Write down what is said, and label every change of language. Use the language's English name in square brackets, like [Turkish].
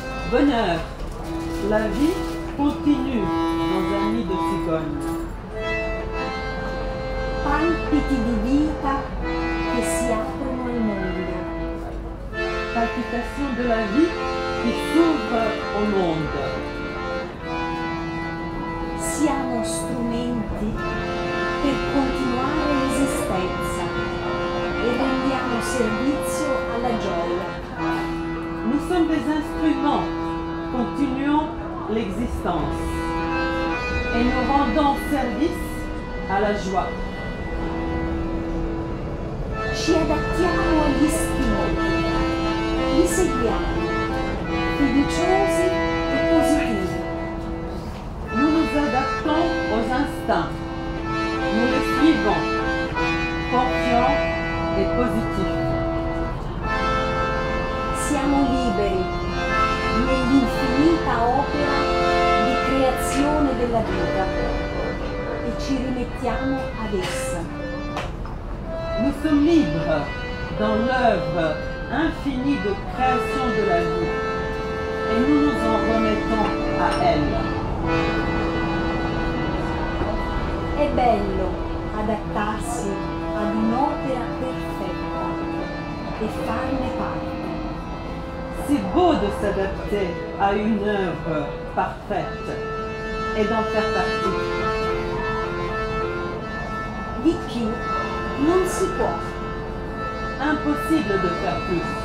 [French] Bonheur, la vie continue dans un nid de cicogne. [Italian] Palpiti di vita che si aprono al mondo. Palpitazione della vita che [French] s'ouvre [Italian] al mondo. Siamo strumenti per continuare l'esistenza e rendiamo servizio alla gioia. [French] Nous sommes des instruments, continuons l'existence et nous rendons service à la joie. [Italian] Ci adattiamo agli stimoli, li seguiamo, fiduciosi e positivi. [French] Nous nous adaptons aux instincts, nous les suivons, confiants et positifs. [Italian] Siamo liberi nell'infinita opera di creazione della vita e ci rimettiamo ad essa. [French] Nous sommes libres dans l'œuvre infinie de création de la vie et nous nous en remettons à elle. [Italian] È bello adattarsi ad un'opera perfetta e farne parte. [French] C'est beau de s'adapter à une œuvre parfaite et d'en faire partie. [Italian] Di più non si può. [French] Impossible de faire plus.